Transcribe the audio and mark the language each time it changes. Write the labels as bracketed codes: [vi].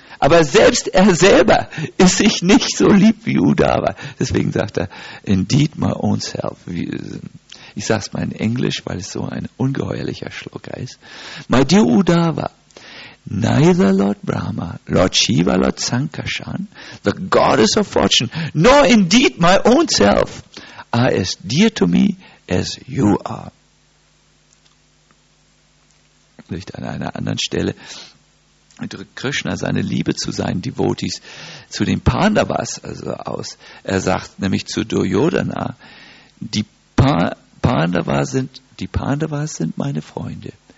[de] Aber selbst er selber ist sich nicht so lieb wie Uddhava. Deswegen sagt er, [en] indeed my own self. [de] Ich sage es mal in Englisch, weil es so ein ungeheuerlicher Schlucker ist. [en] My dear Uddhava, neither Lord Brahma, Lord Shiva, Lord Sankarshan, the goddess of fortune, nor indeed my own self, are as dear to me as you are. [de] Nicht an einer anderen Stelle drückt Krishna seine Liebe zu seinen Devotis, zu den Pandavas, also aus. Er sagt nämlich zu Duryodhana, die Pandavas sind meine Freunde.